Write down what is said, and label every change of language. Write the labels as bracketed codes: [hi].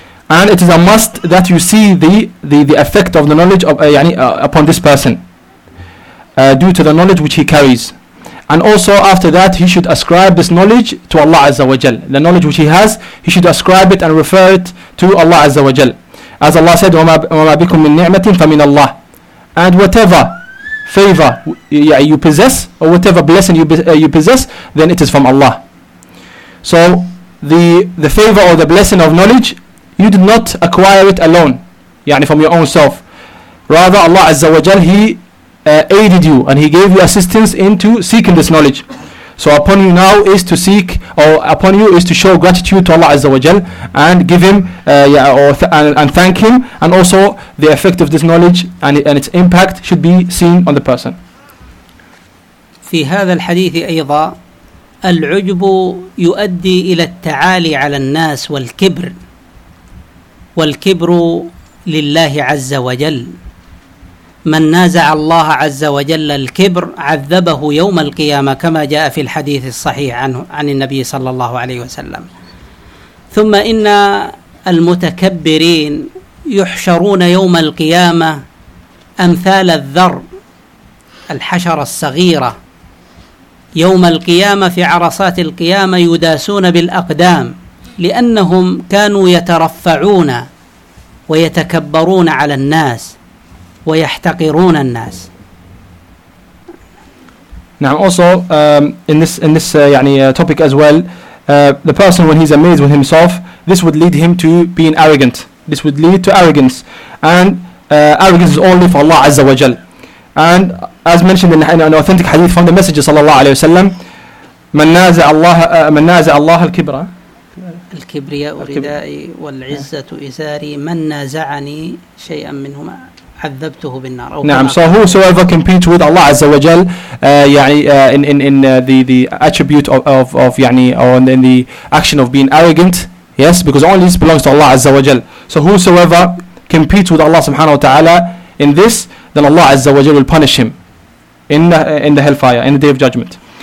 [en] And it is a must that you see the effect of the knowledge of upon this person due to the knowledge which he carries. And also after that, he should ascribe this knowledge to Allah Azza wa Jal. The knowledge which he has, he should ascribe it and refer it to Allah Azza wa Jal. As Allah said, [ar] وَمَا بِكُم مِّن نِعْمَةٍ فَمِنَ اللَّهِ. [en] And whatever favor you possess, or whatever blessing you possess, then it is from Allah. So the favor or the blessing of knowledge, you did not acquire it alone, [ar] يعني [en] from your own self. Rather, Allah Azza wa Jal, he aided you and he gave you assistance into seeking this knowledge. So upon you now is to seek, or upon you is to show gratitude to Allah Azza wa Jal and give him and thank him. And also the effect of this knowledge and its impact should be seen on the person. [ar] في هذا الحديث أيضا العجب يؤدي إلى التعالي على الناس والكبر والكبر لله عز وجل. من نازع الله عز وجل الكبر عذبه يوم القيامة كما جاء في الحديث الصحيح عن النبي صلى الله عليه وسلم. ثم إن المتكبرين يحشرون يوم القيامة أمثال الذر الحشرة الصغيرة يوم القيامة في عرصات القيامة يداسون بالأقدام لأنهم كانوا يترفعون ويتكبرون على الناس ويحتقرون الناس. نعم. [en] Also in this topic as well, the person when he's amazed with himself, this would lead him to being arrogant. This would lead to arrogance, and arrogance is only for Allah Azza wa Jal. And as mentioned in an authentic hadith from the Messenger صلى الله عليه وسلم, [ar] من نازع الله الكبرى. الكبرياء وردائي والعزة إزاري من نازعني شيئا منهما. نعم. [en] So whosoever competes with Allah Azza wa Jal, in the attribute of [ar] يعني [en] or in the action of being arrogant, yes, because only this belongs to Allah Azza wa Jal. So whosoever competes with Allah Subhanahu wa Taala in this, then Allah Azza wa Jal will punish him in the hellfire, in the day of judgment.